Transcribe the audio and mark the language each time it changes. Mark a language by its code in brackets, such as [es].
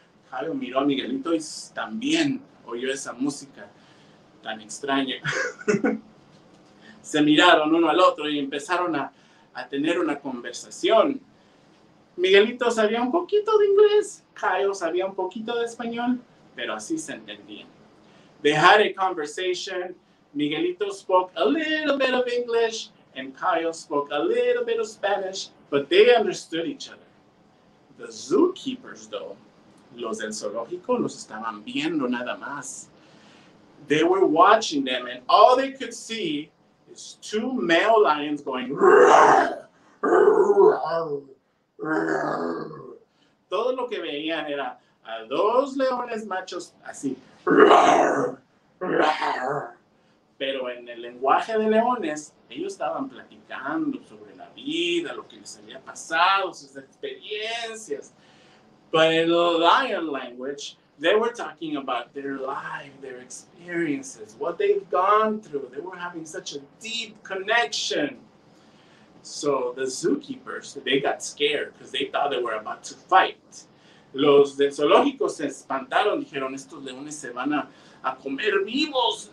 [es] Jairo miró a Miguelito y también oyó esa música tan extraña. Se miraron uno al otro y empezaron a tener una conversación. Miguelito sabía un poquito de inglés, Jairo sabía un poquito de español, pero así se entendían. [en] They had a conversation. Miguelito spoke a little bit of English and Kyle spoke a little bit of Spanish, but they understood each other. The zookeepers, though, [es] los del zoológico los estaban viendo nada más. [en] They were watching them and all they could see is two male lions going [es] Todo lo que veían era a dos leones machos así. Pero en el lenguaje de leones, ellos estaban platicando sobre la vida, lo que les había pasado, sus experiencias. [en] But in the lion language, they were talking about their life, their experiences, what they've gone through. They were having such a deep connection. So the zookeepers, they got scared because they thought they were about to fight. [es] Los del zoológico se espantaron, dijeron, estos leones se van a comer vivos.